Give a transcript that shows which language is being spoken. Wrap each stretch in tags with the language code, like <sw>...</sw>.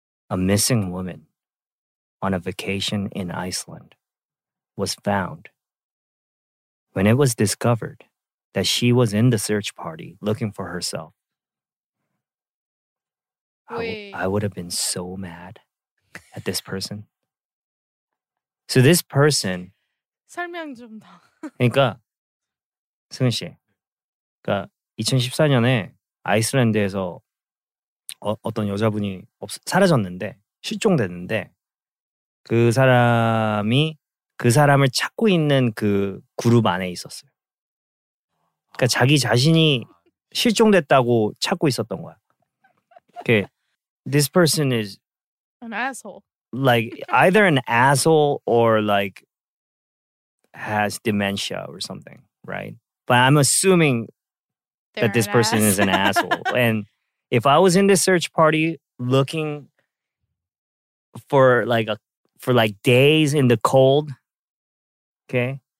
<en>A missing woman on a vacation in Iceland was found. When it was discovered that she was in the search party looking for herself, I would have been so mad at this person. So this person…</en> <ko>설명 좀 더. 그러니까 승은 씨, 그러니까 2014년에 아이슬란드에서 어떤 여자분이 사라졌는데 실종됐는데 그 사람이 그 사람을 찾고 있는 그 그룹 안에 있었어요. 그러니까 자기 자신이 실종됐다고 찾고 있었던 거야. 이렇게,</ko> <en>this person is an asshole. Like either an asshole or like has dementia or something, right? But I'm assuming They're that this person ass. Is an asshole. And if I was in this search party looking for like days in the cold, okay?</en>